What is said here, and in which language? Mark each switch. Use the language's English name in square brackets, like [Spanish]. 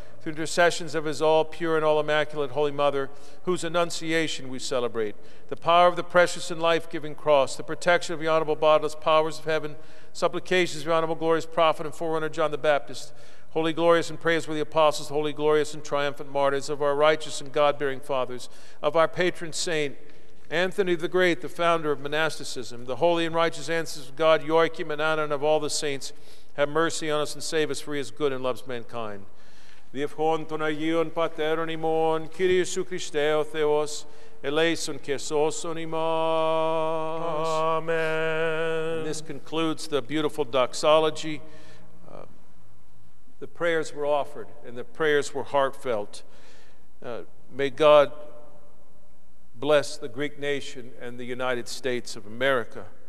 [English] through intercessions of his all-pure and all-immaculate Holy Mother, whose Annunciation we celebrate, the power of the precious and life-giving cross, the protection of the honorable bodiless powers of heaven, supplications of the honorable glorious prophet and forerunner John the Baptist, holy glorious and praiseworthy apostles, holy glorious and triumphant martyrs, of our righteous and God-bearing fathers, of our patron saint, Anthony the Great, the founder of monasticism, the holy and righteous ancestors of God, Joachim and Anna, and of all the saints, have mercy on us and save us, for he is good and loves mankind. [Greek] Διευχών των Αγίων Πατέρων ημών, Κύριε Ιησού Χριστέ ο Θεός, ελέησον και σώσον ημάς. [English] Amen. And this concludes the beautiful doxology. The prayers were offered, and the prayers were heartfelt. May God bless the Greek nation and the United States of America.